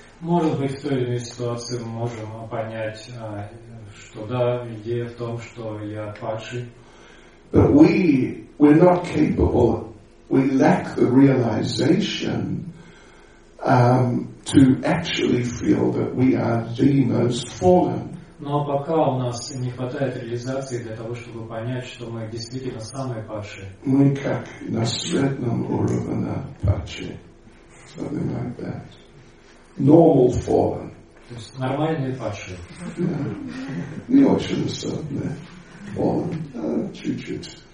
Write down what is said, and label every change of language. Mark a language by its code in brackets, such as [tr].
[ru] Может быть, в той или иной ситуации мы можем понять, что да, идея в том, что я падший. [en] But we're not capable. We lack the realization to actually feel that we are the most fallen. [ru] Но пока у нас не хватает реализации для того, чтобы понять, что мы действительно самые падшие. Мы как на средном уровне падшие. [en] Something like that. Normal fallen. [ru] То есть нормальные падшие. Yeah. Не очень особенные. Fallen. Чуть-чуть.